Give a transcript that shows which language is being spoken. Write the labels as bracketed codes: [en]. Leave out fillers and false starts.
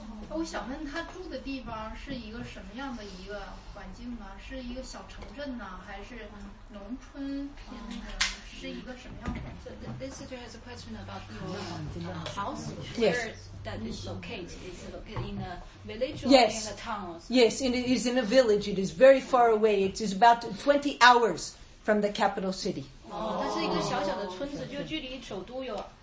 [zh] 我想问他住的地方是一个什么样的一个环境呢？是一个小城镇呢，还是农村偏的？是一个什么样的？ [en] So, this is a question about your house. Yes. That is located. Is it located in a village or yes. in a town? Yes, it is in a village. It is very far away. It is about 20 hours from the capital city. [zh] Oh, 它是一个小小的村子，就距离首都有